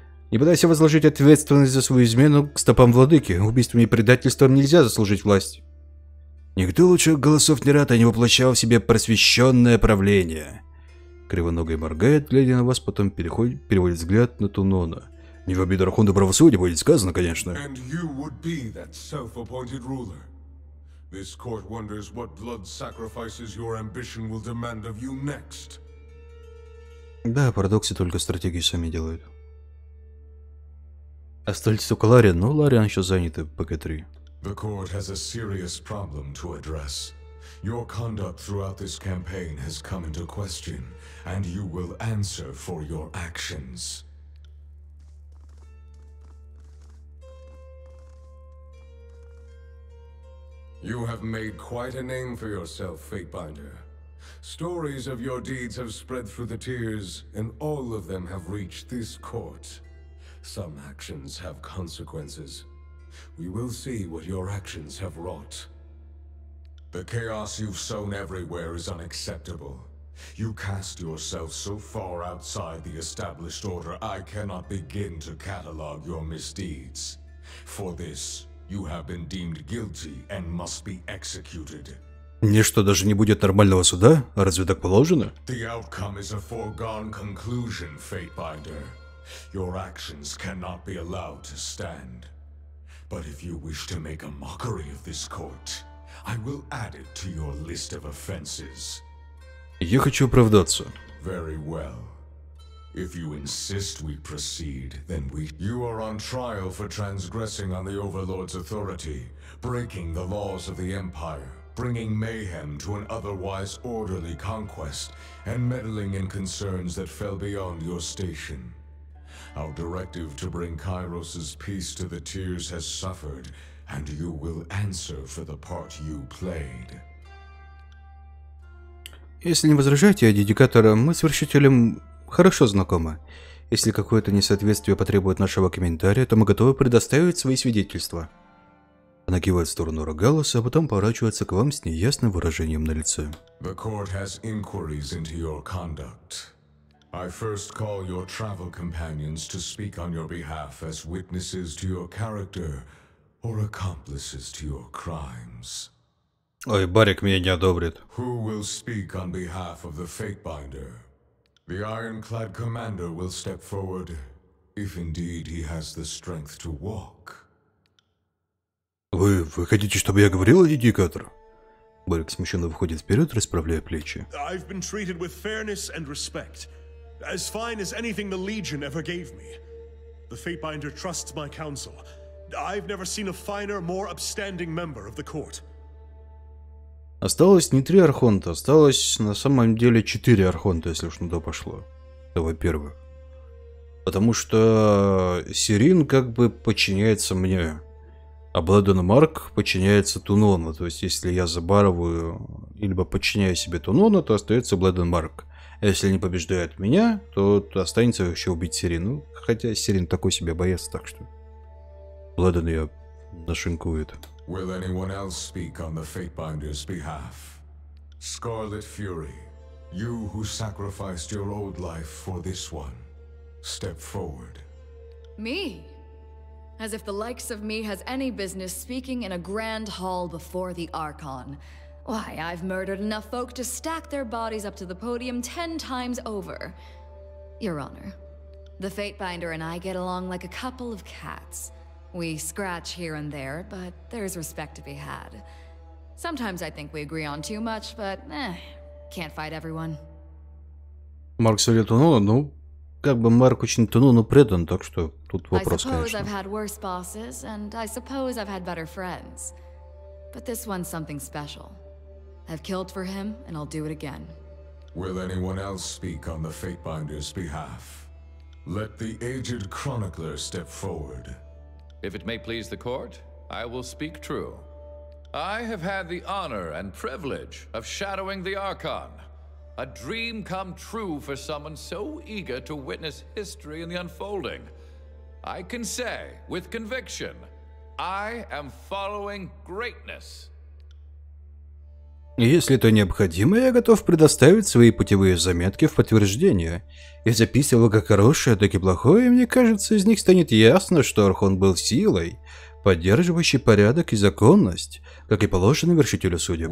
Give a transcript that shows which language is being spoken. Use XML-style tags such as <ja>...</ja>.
<ru>Не пытайся возложить ответственность за свою измену к стопам владыки. Убийством и предательством нельзя заслужить власть. Никто лучше голосов не рад, а не воплощал в себе просвещенное правление. Кривоногая моргает, глядя на вас, потом переводит взгляд на Тунона. Не в обиду Архонту правосудия будет сказано, конечно.</ru> <en>And you would be that self-appointed ruler. This court wonders what blood sacrifices your ambition will demand of you next.</en> <ru>Да, парадоксы только стратегии сами делают. Остались только Лариан, но Лариан еще занят ПК-3.</ru> <en>The court has a serious problem to address. Your conduct throughout this campaign has come into question, and you will answer for your actions. You have made quite a name for yourself, Fatebinder. Stories of your deeds have spread through the tiers, and all of them have reached this court. Some actions have consequences. We will see what your actions have wrought. The chaos you've sown everywhere is unacceptable. You cast yourself so far outside the established order, I cannot begin to catalog your misdeeds. For this, you have been deemed guilty and must be executed.</en> <ru>Мне что, даже не будет нормального суда? Разве так положено?</ru> <en>The outcome is a foregone conclusion, Fatebinder. Your actions cannot be allowed to stand. But if you wish to make a mockery of this court, I will add it to your list of offenses.</en> <ru>Я хочу оправдаться.</ru> <en>Very well. If you insist we proceed, then we... You are on trial for transgressing on the Overlord's authority, breaking the laws of the Empire, bringing mayhem to an otherwise orderly conquest, and meddling in concerns that fell beyond your station. Our directive to bring Kairos's peace to the Tears has suffered, and you will answer for the part you played.</en> <ru>Если не возражаете, Адидикатор, мы с Вершителем хорошо знакомы. Если какое-то несоответствие потребует нашего комментария, то мы готовы предоставить свои свидетельства. Она кивает в сторону Рогалоса, а потом поворачивается к вам с неясным выражением на лице.</ru> <en>The court has inquiries into your conduct. I first call your travel companions to speak on your behalf as witnesses to your character or accomplices to your crimes.</en> <ru>Ой, Барик меня не одобрит.</ru> <en>Who will speak on behalf of the Fatebinder? The Ironclad Commander will step forward, if indeed he has the strength to walk.</en> <ru>Вы хотите, чтобы я говорил, Адидикатор? Барик смущенно выходит вперед, расправляя плечи.</ru> <en>I've been treated with fairness and respect, as fine as anything the Legion ever gave me. The Fatebinder trusts my counsel. I've never seen a finer, more upstanding member of the court.</en> <ru>Осталось не три архонта, осталось на самом деле четыре архонта, если уж на то пошло. Это во-первых. Потому что Сирин как бы подчиняется мне, а Бладен Марк подчиняется Тунону. То есть, если я забарываю, либо подчиняю себе Тунону, то остается Бладен Марк. А если не побеждает меня, то останется еще убить Сирину. Хотя Сирин такой себе боец, так что Бладен ее нашинкует.</ru> <en>Will anyone else speak on the Fatebinder's behalf? Scarlet Fury, you who sacrificed your old life for this one, step forward. Me? As if the likes of me has any business speaking in a grand hall before the Archon. Why, I've murdered enough folk to stack their bodies up to the podium 10 times over. Your Honor, the Fatebinder and I get along like a couple of cats. We scratch here and there, but there's respect to be had. Sometimes I think we agree on too much, but can't fight everyone.</en> <ru>Марк Солит Тунону, ну, как бы Марк очень Тунону предан, так что тут вопрос, конечно.</ru> <en>I suppose I've had worse bosses, and I suppose I've had better friends. But this one's something special. I've killed for him, and I'll do it again. Will anyone else speak on the Fatebinder's behalf? Let the aged chronicler step forward. If it may please the court, I will speak true. I have had the honor and privilege of shadowing the Archon. A dream come true for someone so eager to witness history in the unfolding. I can say, with conviction, I am following greatness.</en> <ru>Если это необходимо, я готов предоставить свои путевые заметки в подтверждение. Я записывал как хорошее, так и плохое, и мне кажется, из них станет ясно, что Архон был силой, поддерживающей порядок и законность, как и положено вершителю судеб.</ru>